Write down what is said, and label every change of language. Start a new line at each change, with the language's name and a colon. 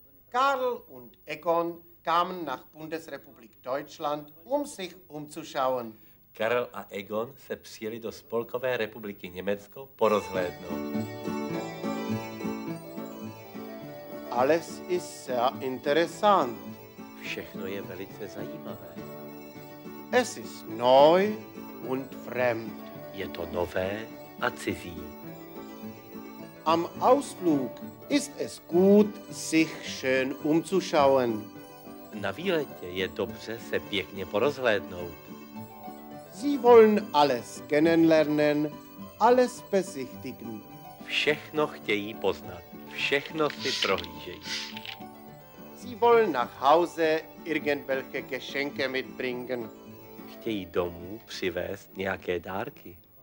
German: Karl und Egon kamen nach Bundesrepublik Deutschland, um sich umzuschauen.
Czech: Karl a Egon se přijeli do Spolkové republiky Německo porozhlédnout.
German: Alles ist sehr interessant.
Czech: Všechno je velice zajímavé.
German: Es ist neu und fremd.
Czech: Je to nové a cizí.
German: Am Ausflug ist es gut, sich schön umzuschauen.
Czech: Na výletě je dobře se pěkně porozhlédnout.
German: Sie wollen alles kennenlernen, alles besichtigen.
Czech: Všechno chtějí poznat, všechno si prohlížejí.
German: Sie wollen nach Hause irgendwelche Geschenke mitbringen.
Czech: Chtějí domů přivést nějaké dárky.